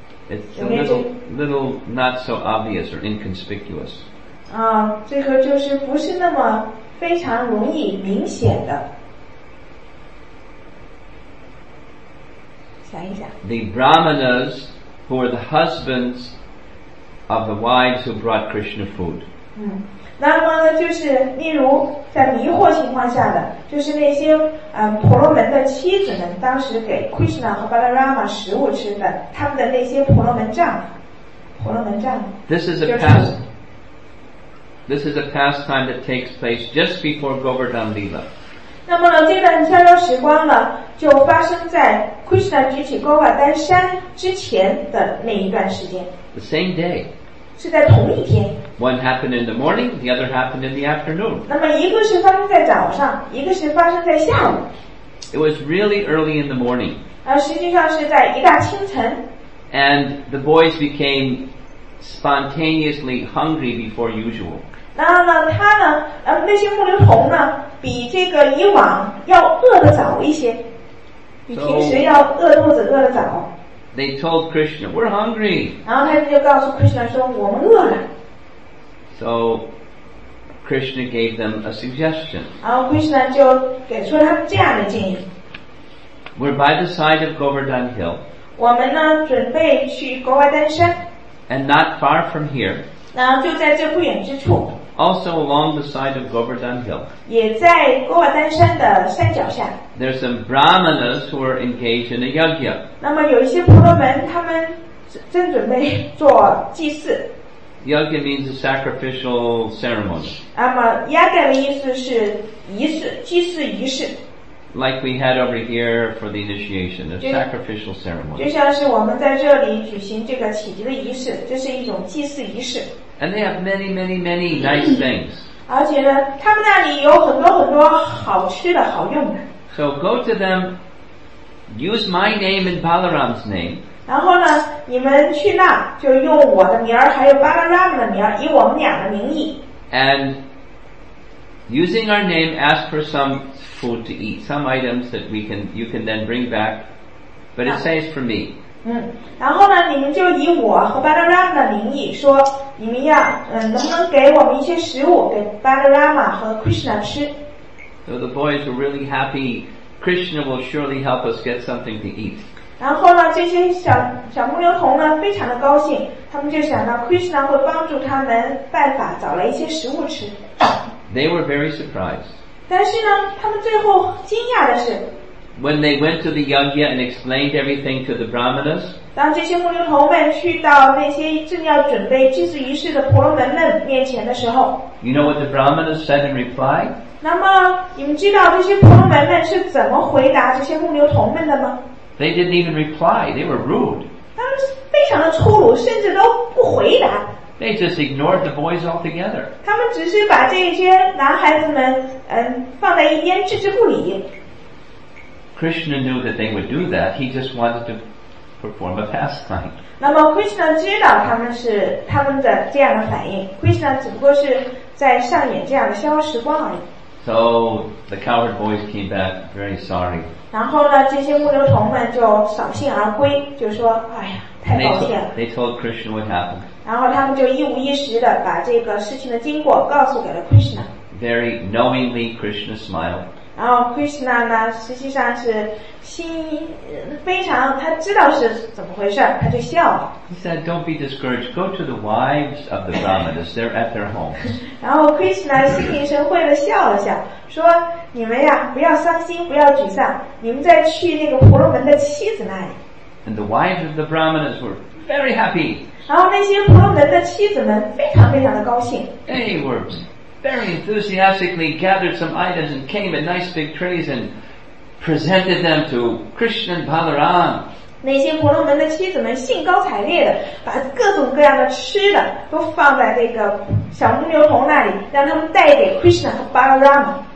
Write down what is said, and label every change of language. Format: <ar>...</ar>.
<en>It's a little not so obvious or inconspicuous.</en> <zh>啊，这个就是不是那么非常容易明显的。想一想。</zh> <en>The Brahmanas. Who were the husbands of the wives who brought Krishna food?</en> <zh>那么呢，就是例如在迷惑情况下的，就是那些婆罗门的妻子们，当时给 Krishna 和 Balarama 食物吃的，他们的那些婆罗门丈夫，婆罗门丈夫。</zh> <en>This is a pastime that takes place just before Govardhan Leela.</en> <zh>那么呢，这段逍遥时光呢？就发生在 Krishna 举起高瓦丹山之前的那一段时间。</zh> <en>The same day.</en> <zh>是在同一天。</zh> <en>One happened in the morning, the other happened in the afternoon.</en> <zh>那么一个是发生在早上，一个是发生在下午。</zh> <en>It was really early in the morning.</en> <zh>而实际上是在一大清晨。</zh> <en>And the boys became spontaneously hungry before usual.</en> <zh>然后呢，他呢，那些牧灵童呢，比这个以往要饿得早一些，比平时要饿肚子饿得早。</zh> <en>They told Krishna, "We're hungry."</en> <zh>然后他们就告诉 Krishna 说，我们饿了。</zh> <en>So Krishna gave them a suggestion.</en> <zh>然后 Krishna 就给出他们这样的建议。</zh> <en>We're by the side of Govardhan Hill.</en> <zh>我们呢，准备去高瓦丹山。</zh> <en>And not far from here.</en> <zh>然后就在这不远之处。</zh> <en>Also along the side of Govardhan Hill.</en> <zh>也在高瓦丹山的山脚下。</zh> <en>There's some brahmanas who are engaged in a yajna.</en> <zh>那么有一些婆罗门，他们正准备做祭祀。</zh> <en>Yajna means a sacrificial ceremony.</en> <zh>那么 yajna 的意思是仪式，祭祀仪式。</zh> <en>Like we had over here for the initiation, a sacrificial ceremony.</en> <zh>就像是我们在这里举行这个启迪的仪式，这是一种祭祀仪式。</zh> <en>And they have many, many, many nice things.</en> <zh>而且呢，他们那里有很多很多好吃的好用的。</zh> <en>So go to them, use my name and Balaram's name.</en> <zh>然后呢，你们去那就用我的名儿，还有 Balaram 的名儿，以我们俩的名义。</zh> <en>And using our name, ask for some. Food to eat, some items that we can, you can then bring back, but it says for me.</en> <zh>嗯，然后呢，你们就以我和 Balaram 的名义说，你们要能不能给我们一些食物给 Balaram 和 Krishna 吃</zh> <en>？So the boys were really happy. Krishna will surely help us get something to eat.</en> <zh>然后呢，这些小牧牛童呢，非常的高兴，他们就想到 Krishna 会帮助他们办法找来一些食物吃。</zh> <en>They were very surprised.</en> <zh>但是呢，他们最后惊讶的是</zh> <en>，When they went to the yajna and explained everything to the brahmanas，</en> <zh>当这些牧牛童们去到那些正要准备祭祀仪式的婆罗门们面前的时候</zh> <en>，You know what the brahmanas said in reply？</en> <zh>那么你们知道这些婆罗门们是怎么回答这些牧牛童们的吗</zh> <en>？They didn't even reply. They were rude.</en> <zh>他们非常的粗鲁，甚至都不回答。</zh> <en>They just ignored the boys altogether.</en> <zh>他们只是把这些男孩子们放在一边置之不理。</zh> <en>Krishna knew that they would do that. He just wanted to perform a pastime.</en> <zh>那么 Krishna 知道他们的这样的反应。 Krishna 只不过是在上演这样的逍遥时光而已。</zh> <en>So the coward boys came back very sorry.</en> <zh>然后呢，这些牧牛童们就扫兴而归，就说：“哎呀，太抱歉了。”</zh> <en>They told Krishna what happened.</en> <zh>然后他们就一五一十地把这个事情的经过告诉给了 Krishna.</zh> <en>Very knowingly, Krishna smiled.</en> <zh>然后 Krishna 呢，实际上是心非常，他知道是怎么回事，他就笑了。</zh> <en>He said, "Don't be discouraged. Go to the wives of the Brahmanas. They're at their home."</en> <zh>然后 Krishna 心领神会地笑了笑，说：“你们呀，不要伤心，不要沮丧，你们再去那个婆罗门的妻子那里。”</zh> <en>And the wives of the Brahmanas were very happy.</en> <zh>然后那些婆罗门的妻子们非常非常的高兴。</zh> <en>They were very enthusiastically gathered some items and came in nice big trays and presented them to Krishna and Balaram.</en> <zh>那些婆罗门的妻子们兴高采烈的把各种各样的吃的都放在那个小牧牛童那里，让他们带给 Krishna 和 Balaram。</zh>